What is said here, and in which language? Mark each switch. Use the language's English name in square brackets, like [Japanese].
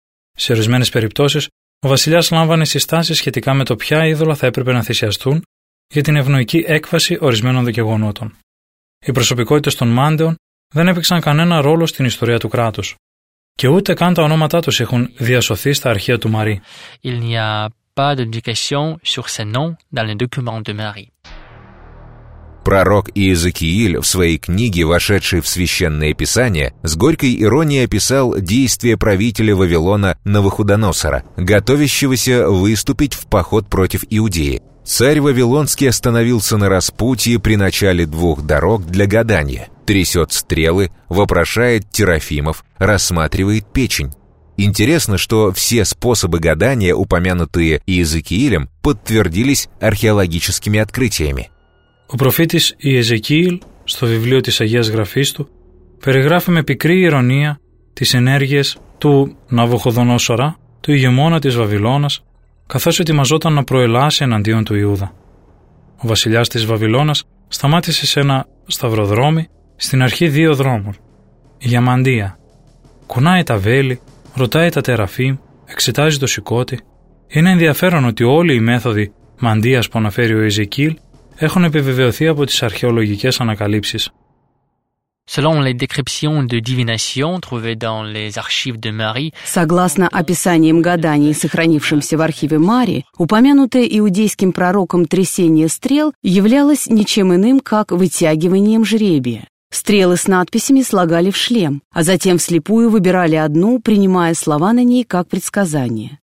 [Greek] Σε ορισμένες περιπτώσεις, ο βασιλιάς λάμβανε συστάσεις σχετικά με το ποια είδωλα θα έπρεπε να θυσιαστούν για την ευνοϊκή έκβαση ορισμένων δικαιωμάτων. Οι προσωπικότητες των Μάντεων δεν έπαιξαν κανένα ρόλο στην ιστορία του κράτους. Και ούτε καν τα ονόματά τους έχουν διασωθεί στα αρχεία του Μαρί. [French] Il n'y a pas d'indication sur ces noms dans les documents de Marie. [Russian] Пророк Иезекииль в своей книге, вошедшей в Священное Писание, с горькой иронией описал действия правителя Вавилона Навуходоносора, готовящегося выступить в поход против Иудеи. Царь Вавилонский остановился на распутье при начале двух дорог для гадания, трясет стрелы, вопрошает терафимов, рассматривает печень. Интересно, что все способы гадания, упомянутые Иезекиилем, подтвердились археологическими открытиями. [Greek] Ο προφήτης Ιεζεκίηλ, στο βιβλίο της Αγίας Γραφής του, περιγράφει με πικρή ειρωνία τις ενέργειες του Ναβουχοδονόσορα, του ηγεμόνα της Βαβυλώνας, καθώς ετοιμαζόταν να προελάσει εναντίον του Ιούδα. Ο βασιλιάς της Βαβυλώνας σταμάτησε σε ένα σταυροδρόμι στην αρχή δύο δρόμων, για μαντεία. Κουνάει τα βέλη, ρωτάει τα τεραφείμ, εξετάζει το σηκώτη. Είναι ενδιαφέρον ότι όλοι οι μέθοδοι μαντείας που αναφέρει ο Ιεζεκίηλ έχουν επιβεβαιωθεί από τις αρχαιολογικές ανακαλύψεις. [French] Selon les descriptions de divination trouvées dans les archives de Marie, [Russian] согласно описаниям гаданий, сохранившимся в архиве Мари, упомянутое иудейским пророком трясение стрел являлось ничем иным, как вытягиванием жребия. Стрелы с надписями слагали в шлем, а затем вслепую выбирали одну, принимая слова на ней как предсказание.